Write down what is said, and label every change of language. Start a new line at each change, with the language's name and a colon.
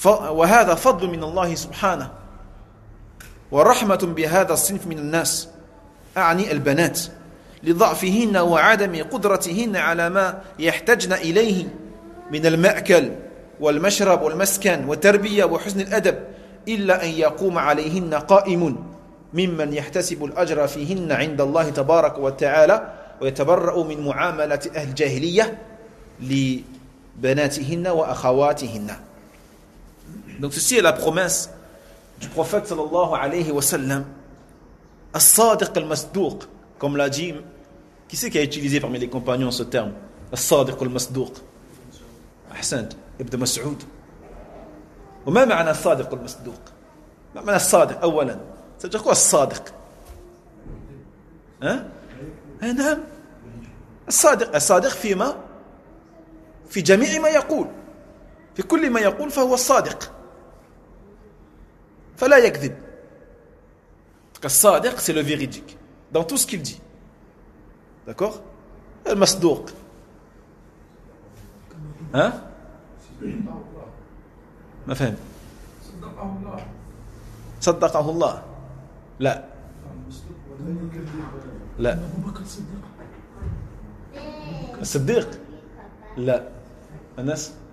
Arabic: وهذا فضل من الله سبحانه ورحمة بهذا الصنف من الناس, أعني البنات, لضعفهن وعدم قدرتهن على ما يحتجن إليه من المأكل والمشرب والمسكن والتربية وحسن الأدب, إلا أن يقوم عليهن قائم ممن يحتسب الأجر فيهن عند الله تبارك وتعالى, ويتبرأ من معاملة أهل الجاهلية لبناتهن وأخواتهن.
French: Donc ceci est la promesse du prophète
Arabic: sallallahu alayhi wa sallam,
French: as-sadiq al-masduq, comme l'a dit, qui c'est qui a utilisé parmi les compagnons ce terme, as-sadiq al-masduq, Ahsan ibn Mas'ud.
Arabic: وما معنى الصادق المصدوق؟ ما معنى الصادق اولا؟ تجيكوا الصادق ها؟ نعم الصادق, الصادق فيما؟ في جميع ما يقول, في كل ما يقول فهو الصادق فلا يكذب.
French: الصادق c'est le véridique dans tout ce qu'il dit, d'accord.
Arabic: المصدوق ها؟ ما فهم؟ صدقه الله. لا لا الصديق لا الناس